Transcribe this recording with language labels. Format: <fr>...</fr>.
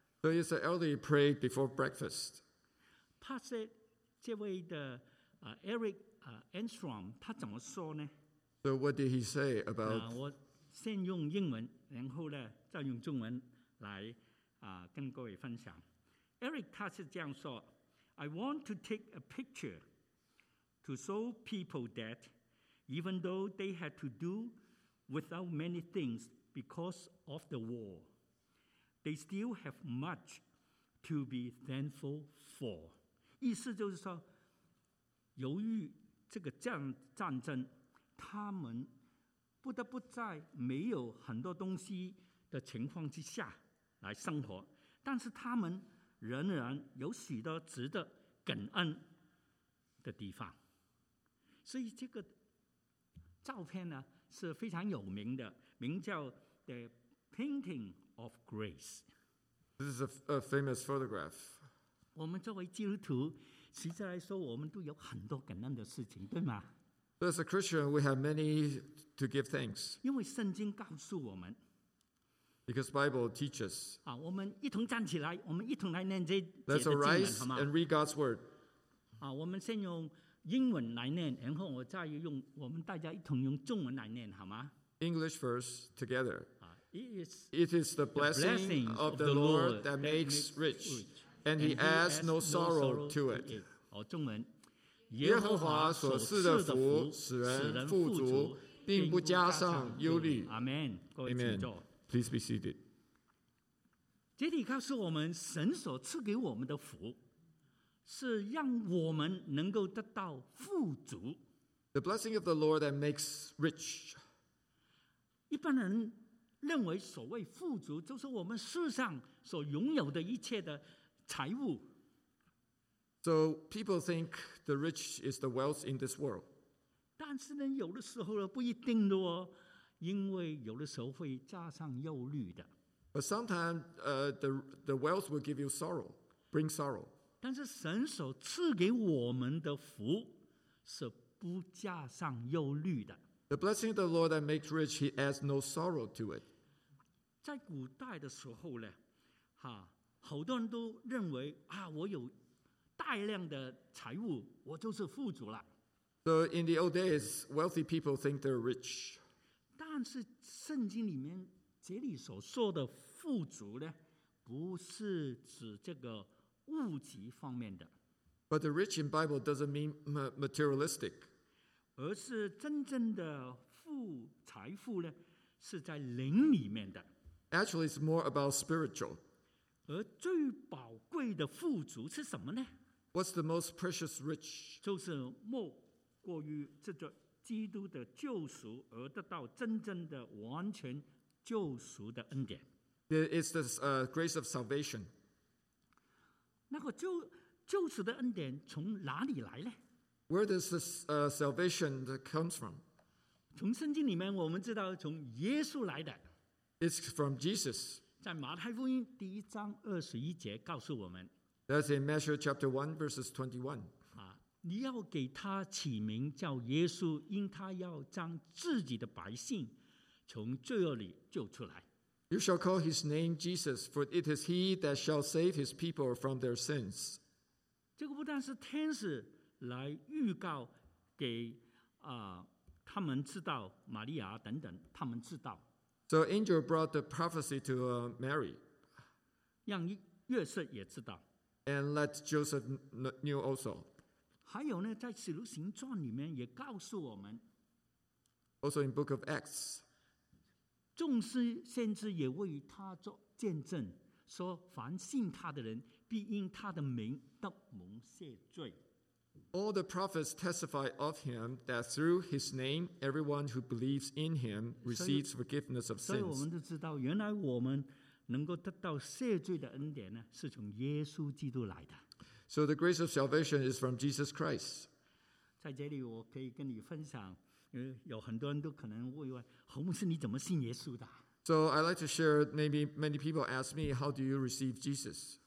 <en>So it's an elderly prayed before breakfast.</en> <zh>他是这位的Eric Enstrom, 他怎么说呢？</zh> <en>So what did he say about...</en> <zh>先用英文，然后呢，再用中文来跟各位分享。</zh> <en>Eric</en> <zh>他是这样说</zh> <en>：“I want to take a picture to show people that even though they had to do without many things because of the war, they still have much to be thankful for。”</en> <zh>意思就是说，由于这个战争，他们。不得不在没有很多东西的情况之下来生活，但是他们仍然有许多值得感恩的地方。所以这个照片呢是非常有名的，名叫 The Painting of Grace。</zh> <en>This is a famous photograph.</en> <zh>我们作为基督徒，实在来说，我们都有很多感恩的事情，对吗？</zh> <en>As a Christian, we have many to give thanks.</en> <zh>因为圣经告诉我们。</zh> <en>Because the Bible teaches.</en> <zh>我们一同站起来，我们一同来念这节的经文，好吗？</zh> <en>Let's arise and read God's word.</en> <zh>我们先用英文来念，然后我再用我们大家一同用中文来念，好吗？</zh> <en>English first, together. It is the blessing of the Lord that makes rich, and he adds no sorrow to it.</en> <zh>中文。耶和华所赐的福使人富足，并不加上忧虑。阿门。各位请坐。</zh> <en>Please be seated。</en> <zh>这里告诉我们，神所赐给我们的福，是让我们能够得到富足。</zh> <en>The blessing of the Lord that makes rich。</en> <zh>一般人认为所谓富足，就是我们世上所拥有的一切的财物。</zh> <en>So people think the rich is the wealth in this world.</en> <zh>但是呢，有的时候不一定的哦，因为有的时候会加上忧虑的。</zh> <en>But sometimes, the wealth will give you sorrow, bring sorrow.</en> <zh>但是神所赐给我们的福是不加上忧虑的。</zh> <en>The blessing of the Lord that makes rich, he adds no sorrow to it.</en> <zh>在古代的时候呢，好多人都认为我有大量的财物，我就是富足了。</zh> <en>So in the old days, wealthy people think they're rich.</en> <zh>但是圣经里面这里所说的富足呢，不是指这个物质方面的。</zh> <en>But the rich in Bible doesn't mean materialistic.</en> <zh>而是真正的富财富呢，是在灵里面的。</zh> <en>Actually, it's more about spiritual.</en> <zh>而最宝贵的富足是什么呢？</zh> <en>What's the most precious rich?</en> <zh>就是莫过于这个基督的救赎而得到真正的完全救赎的恩典。</zh> <en>It's the grace of salvation.</en> <zh>那个救赎的恩典从哪里来呢？</zh> <en>Where does this salvation comes from?</en> <zh>从圣经里面我们知道从耶稣来的。</zh> <en>It's from Jesus.</en> <zh>在马太福音第一章二十一节告诉我们。</zh> <en>That's in Matthew chapter 1, verses 21.</en> <zh>你要给他起名叫耶稣，因他要将自己的百姓从罪恶里救出来。</zh> <en>You shall call his name Jesus, for it is he that shall save his people from their sins.</en> <zh>这个不但是天使来预告给、他们知道玛利亚等等，他们知道。</zh> <en>So angel brought the prophecy to Mary.</en> <zh>让约瑟也知道。</zh> <en>And let Joseph knew also.</en> <zh>还有呢，在使徒行传里面也告诉我们。</zh> <en>Also in Book of Acts.</en> <zh>众师先知也为他做见证，说凡信他的人，必因他的名得蒙赦罪。</zh> <en>All the prophets testify of him that through his name, everyone who believes in him receives forgiveness of sins.</en> <zh>所以我们都知道，原来我们能够得到赦罪的恩典呢，是从耶稣基督来的。</zh> <en>So the grace of salvation is from Jesus Christ.</en> <zh>在这里，我可以跟你分享，有很多人都可能会问，侯牧师，你怎么信耶稣的？</zh> <en>So I'd like to share. Maybe many people ask me, how do you receive Jesus?</en>